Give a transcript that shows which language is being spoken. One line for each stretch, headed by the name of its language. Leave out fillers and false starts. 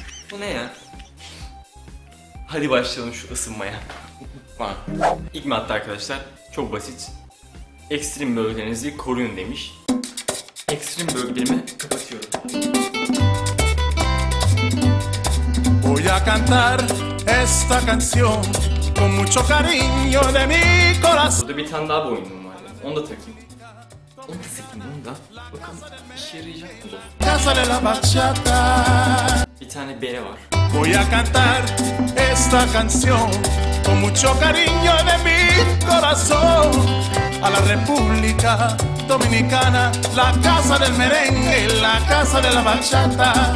Turkish: Bu ne ya? Hadi başlayalım şu ısınmaya. İlk madde arkadaşlar çok basit. Ekstrem bölgelerinizi koruyun demiş. Ekstrem bölgelerimi kapatıyorum.
Spanish: Voy a cantar esta canción con mucho cariño de mi corazón.
Turkish: Burada bir tane daha boynum var ya. Onu da takayım. Onu da sikim, onu da. Bakalım işe yarayacak mı?
Spanish: Casa de la bachata.
Turkish: Bir tane B var.
Spanish: Voy a cantar esta canción con mucho cariño de mi corazón a la República Dominicana, la casa del merengue, la casa de la bachata.